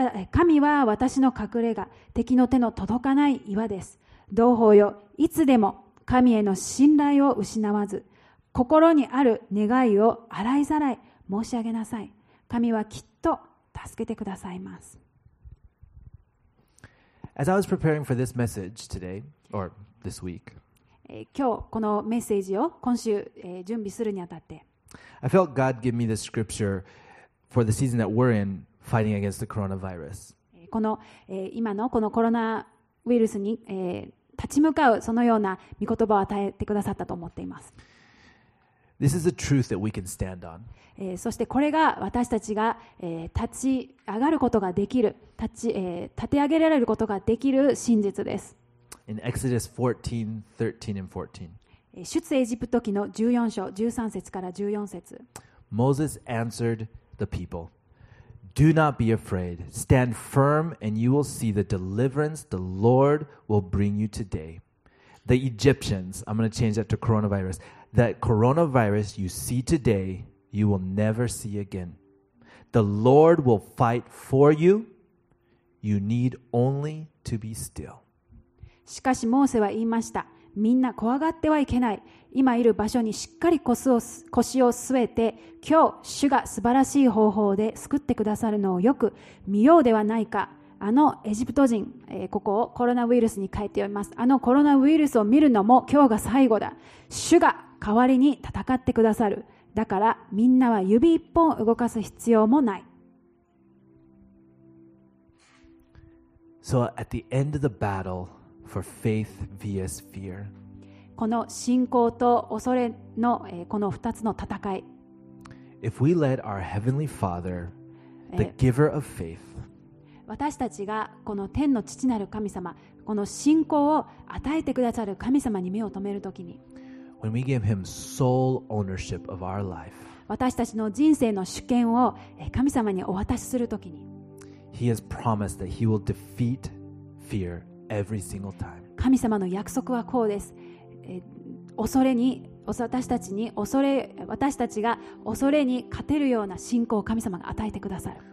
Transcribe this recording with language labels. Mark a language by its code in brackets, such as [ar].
[ja] 神は私の隠れが、敵の手の届かない岩です。同胞よ、いつでも神への信頼を失わず、心にある願いを洗いざらい申し上げなさい。神はきっと助けてくださいます。 [en] As I was preparing for this message today, or this week, [ja] 今日このメッセージを今週準備するにあたって、 [en] I felt God give me this scripture for the season that we're in, fighting against the coronavirus. [ja] この今のこのコロナウイルスに立ち向かうそのような御言葉を与えてくださったと思っています。 [en] This is a truth that we can stand on. [ja] そしてこれが私たちが立ち上がることができる、立て上げられることができる真実です。 [en] In Exodus 14, 13 and 14. [ja] 出エジプト記の14章13節から14節。 [en] Moses answered the people, Do not be afraid. Stand firm and you will see the deliverance the Lord will bring you today. The Egyptians, I'm going to change that to coronavirus. That coronavirus you see today, you will never see again. The Lord will fight for you. You need only to be still. [ja] しかしモーセは言いました。みんな怖がってはいけない。今いる場所にしっかり腰を据えて、今日主が素晴らしい方法で救ってくださるのをよく見ようではないか。あのエジプト人、ここをコロナウイルスに変えて読みます。あのコロナウイルスを見るのも今日が最後だ。主が代わりに戦ってくださる。だからみんなは指一本動かす必要もない。 [en] So at the end of the battle for faith vs fear、 [ja] この信仰と恐れの、この二つの戦い、 [en] If we let our heavenly father、 the giver of faith、 [ja] 私たちがこの天の父なる神様、この信仰を与えてくださる神様に目を留めるときに、 [en] When we give him sole ownership of our life, [ja] 私たちの人生の主権を神様にお渡しするときに、 [en] He has promised that he will defeat fear every single time. [ja] 神様の約束はこうです。恐れに、私たちに恐れ、私たちが恐れに勝てるような信仰を神様が与えてくださる。